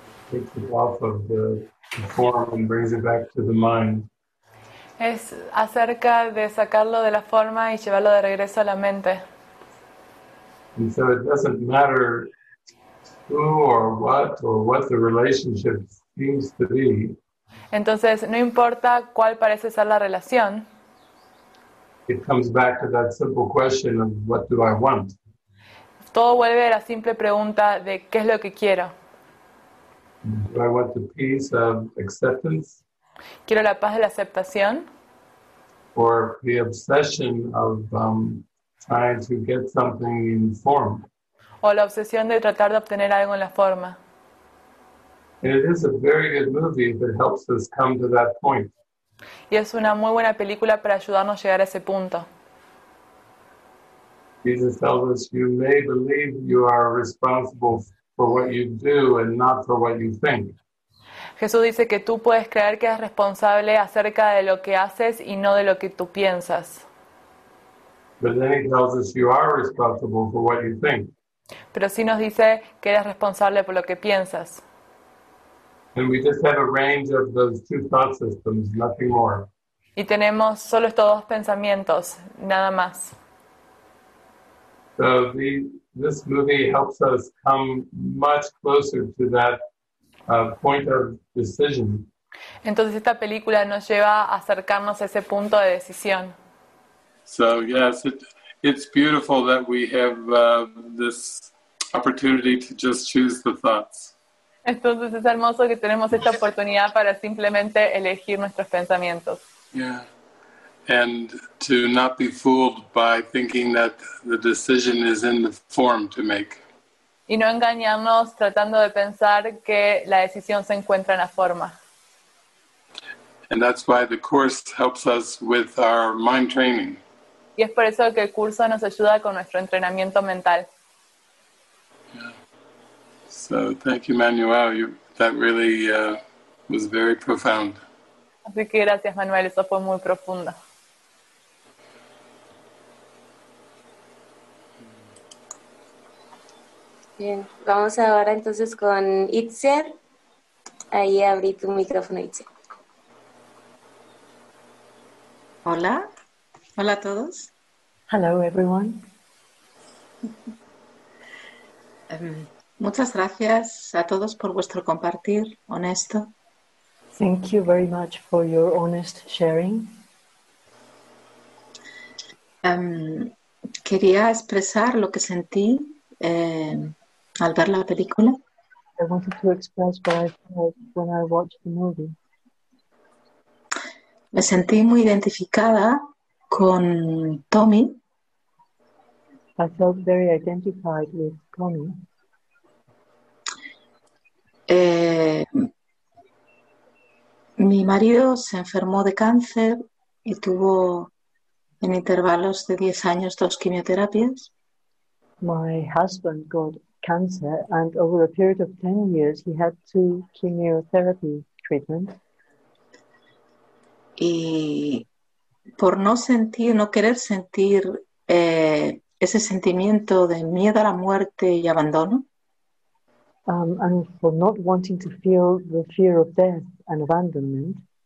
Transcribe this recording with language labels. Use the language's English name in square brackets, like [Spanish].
[English] Takes it off of the form and brings it back to the mind. [Spanish] Es acerca de sacarlo de la forma y llevarlo de regreso a la mente. [English] And so it doesn't matter who or what the relationship seems to be. [Spanish] Entonces, no importa cuál parece ser la relación. [English] It comes back to that simple question of what do I want? [Spanish] Todo vuelve a la simple pregunta de qué es lo que quiero. [English] Do I want the peace of acceptance? [Spanish] ¿Quiero la paz de la aceptación? [English] Or the obsession of trying to get something in form? [Spanish] O la obsesión de tratar de obtener algo en la forma. [English] And it is a very good movie that helps us come to that point. [Spanish] Y es una muy buena película para ayudarnos a llegar a ese punto. [English] Jesus tells us you may believe you are responsible for what you do and not for what you think. [Spanish] Jesús dice que tú puedes creer que eres responsable acerca de lo que haces y no de lo que tú piensas. [English] But then he tells us you are responsible for what you think. [Spanish] Pero sí nos dice que eres responsable por lo que piensas. [English] And we just have a range of those two thought systems, nothing more. [Spanish] Y tenemos solo estos dos pensamientos, nada más. [English] So this movie helps us come much closer to that point of decision. [Spanish] Entonces esta película nos lleva a acercarnos a ese punto de decisión. [English] So yes, it's beautiful that we have this opportunity to just choose the thoughts. [Spanish] Entonces es hermoso que tenemos esta oportunidad para simplemente elegir nuestros pensamientos. [English] Yeah. And to not be fooled by thinking that the decision is in the form to make. [Spanish] Y no engañarnos tratando de pensar que la decisión se encuentra en la forma. [English] And that's why the course helps us with our mind training. [Spanish] Y es por eso que el curso nos ayuda con nuestro entrenamiento mental. [English] So thank you, Manuel. That really was very profound. [Spanish] Así que gracias, Manuel. Eso fue muy profundo. Bien, vamos ahora entonces con Itzer. Ahí abrí tu micrófono, Itzer. Hola. Hola a todos. [English] Hello, everyone. [Spanish] Muchas gracias a todos por vuestro compartir honesto. [English] Thank you very much for your honest sharing. [Spanish] Quería expresar lo que sentí al ver la película. [English] I wanted to express what I felt when I watched the movie. [Spanish] Me sentí muy identificada con Tommy. [English] I felt very identified with Tommy. [Spanish] Mi marido se enfermó de cáncer y tuvo en intervalos de 10 años 2 quimioterapias. [English] My husband got cancer and over a period of 10 years he had 2 chemotherapy treatments. [Spanish] Y por no querer sentir ese sentimiento de miedo a la muerte y abandono. [English] And for not wanting to feel the fear of death and abandonment.